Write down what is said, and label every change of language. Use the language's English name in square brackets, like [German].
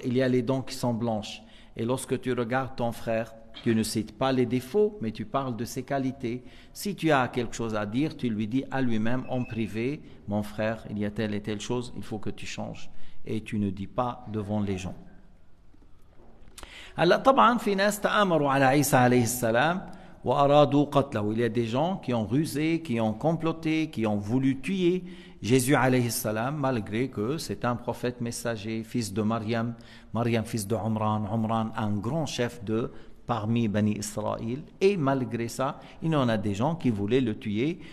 [French] Il y a les dents qui sont blanches. Et lorsque tu regardes ton frère, tu ne cites pas les défauts, mais tu parles de ses qualités. Si tu as quelque chose à dire, tu lui dis à lui-même en privé, « Mon frère, il y a telle et telle chose, il faut que tu changes. » Et tu ne dis pas devant les gens. [Arabic] Alors, طبعاً, في ناس تأمروا على عيسى عليه السلام وأرادوا قتله. [French] Il y a des gens qui ont rusé, qui ont comploté, qui ont voulu tuer Jésus [Arabic] عليه السلام, [French] malgré que c'est un prophète messager, fils de Maryam, fils de Umran, un grand chef de parmi Bani Israël. Et malgré ça, il y en a des gens qui voulaient le tuer.